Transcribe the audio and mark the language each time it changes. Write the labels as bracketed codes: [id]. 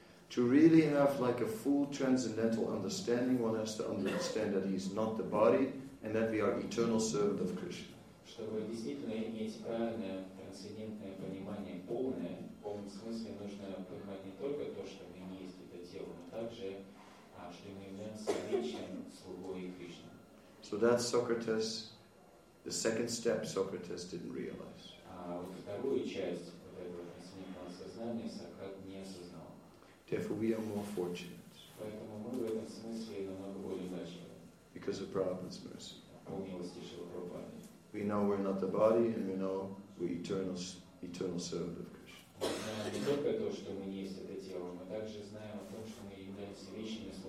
[en] To really have like a full transcendental understanding, one has to understand that he is not the body and that we are eternal servant of Krishna. [ru] Чтобы действительно иметь правильное трансцендентное понимание, полное, в полном смысле нужно понимать не только то, что мы не есть это тело, но также, что мы являемся личным слугой и Кришны. [en] So that's Socrates, the second step Socrates didn't realize. [ru] А вот вторую часть вот этого трансцендентного сознания Сократ не осознал. [en] Therefore we are more fortunate. [ru] Поэтому мы в этом смысле намного более значимы. [en] Because of Prabhupada's mercy. [ru] По милости Шрила Прабхупады. [en] We know we're not the body, and we know we're eternal servant of Krishna.